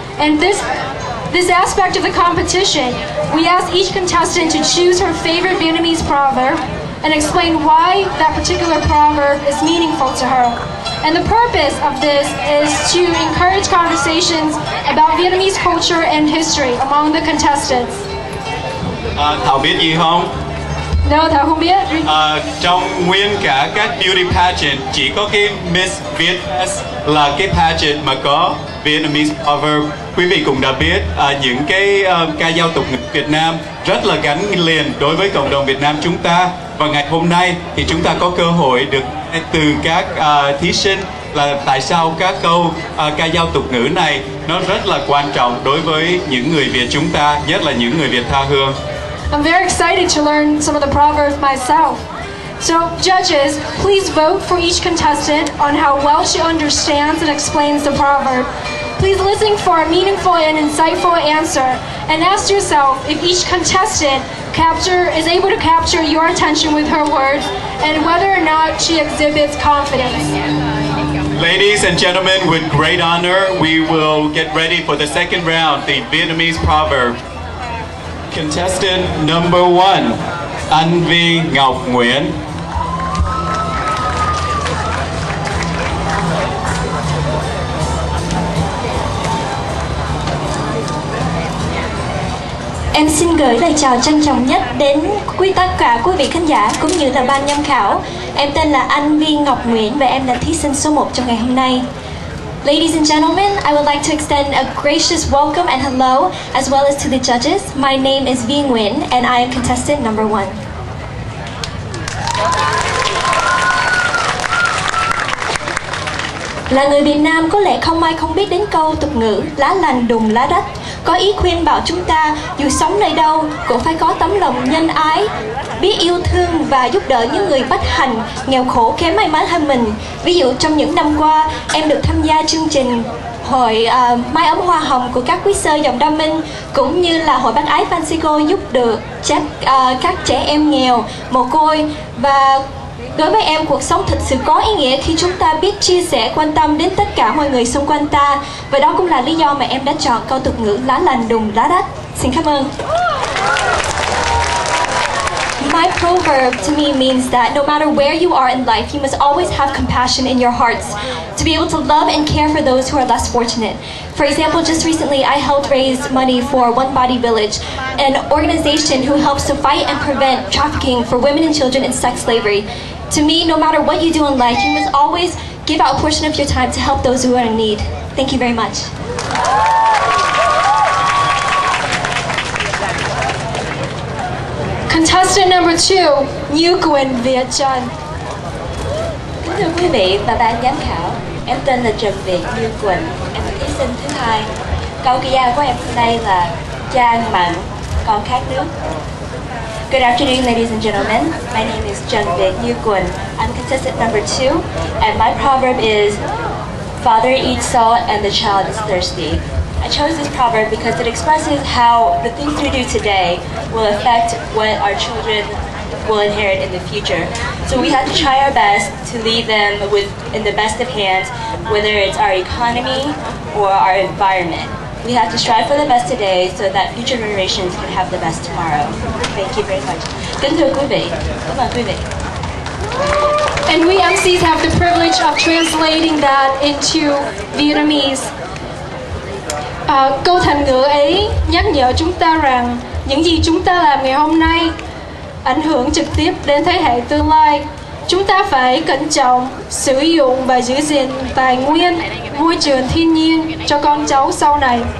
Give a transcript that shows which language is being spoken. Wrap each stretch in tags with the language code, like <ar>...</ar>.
<en>And this aspect of the competition, we ask each contestant to choose her favorite Vietnamese proverb and explain why that particular proverb is meaningful to her. And the purpose of this is to encourage conversations about Vietnamese culture and history among the contestants.</en> <vi>Thảo biết gì không?</vi> <en>No,</en> <vi>Thảo không biết. Trong nguyên cả các</vi> <en>beauty pageant,</en> <vi>chỉ có cái Miss VietFest là cái pageant mà có</vi> <en>Vietnamese proverb.</en> <vi>Quý vị cũng đã biết những cái ca dao tục người Việt Nam rất là gắn liền đối với cộng đồng Việt Nam chúng ta. Và ngày hôm nay thì chúng ta có cơ hội được từ các thí sinh là tại sao các câu ca dao tục ngữ này nó rất là quan trọng đối với những người Việt chúng ta, nhất là những người Việt tha hương.</vi> <en>I'm very excited to learn some of the proverbs myself. So judges, please vote for each contestant on how well she understands and explains the proverb. Please listen for a meaningful and insightful answer and ask yourself if each contestant is able to capture your attention with her words and whether or not she exhibits confidence. Ladies and gentlemen, with great honor, we will get ready for the second round, the Vietnamese proverb. Contestant number one, An Vi Ngọc Nguyễn.</en> <vi>Em xin gửi lời chào trân trọng nhất đến quý tất cả quý vị khán giả cũng như là ban giám khảo. Em tên là An Vi Ngọc Nguyễn và em là thí sinh số 1 trong ngày hôm nay.</vi> <en>Ladies and gentlemen, I would like to extend a gracious welcome and hello as well as to the judges. My name is Vi Nguyễn and I am contestant number 1.</en> <vi>Là người Việt Nam có lẽ không ai không biết đến câu tục ngữ lá lành đùm lá rách, có ý khuyên bảo chúng ta dù sống nơi đâu cũng phải có tấm lòng nhân ái, biết yêu thương và giúp đỡ những người bất hạnh, nghèo khổ kém may mắn hơn mình. Ví dụ trong những năm qua em được tham gia chương trình hội mái ấm hoa hồng của các quý sơ dòng Đa Minh cũng như là hội bác ái Francisco giúp được các trẻ em nghèo mồ côi. Và đối với em, cuộc sống thật sự có ý nghĩa khi chúng ta biết chia sẻ, quan tâm đến tất cả mọi người xung quanh ta. Và đó cũng là lý do mà em đã chọn câu tục ngữ lá lành đùm lá rách. Xin cảm ơn.</vi> <en>My proverb to me means that no matter where you are in life, you must always have compassion in your hearts to be able to love and care for those who are less fortunate. For example, just recently I helped raise money for One Body Village, an organization who helps to fight and prevent trafficking for women and children in sex slavery. To me, no matter what you do in life, you must always give out a portion of your time to help those who are in need. Thank you very much. Contestant number 2, Như Quỳnh Việt Trần.</en> <vi>Kính thưa quý vị và ban giám khảo, em tên là Trần Việt Như Quỳnh, em là thí sinh thứ hai. Câu kia của em hôm nay là cha mặn, con khát nước.</vi> <en>Good afternoon, ladies and gentlemen. My name is Trần Việt Như Quỳnh. I'm contestant number 2, and my proverb is father eats salt and the child is thirsty. I chose this proverb because it expresses how the things we do today will affect what our children will inherit in the future. So we have to try our best to leave them with in the best of hands, whether it's our economy or our environment. We have to strive for the best today so that future generations can have the best tomorrow. Thank you very much.</en> <vi>Kính thưa quý vị, cảm ơn quý vị.</vi> <en>And we MCs have the privilege of translating that into Vietnamese.</en> <vi>Câu thành ngữ ấy nhắc nhở chúng ta rằng những gì chúng ta làm ngày hôm nay ảnh hưởng trực tiếp đến thế hệ tương lai. chúng ta phải cẩn trọng sử dụng và giữ gìn tài nguyên môi trường thiên nhiên cho con cháu sau này.</vi>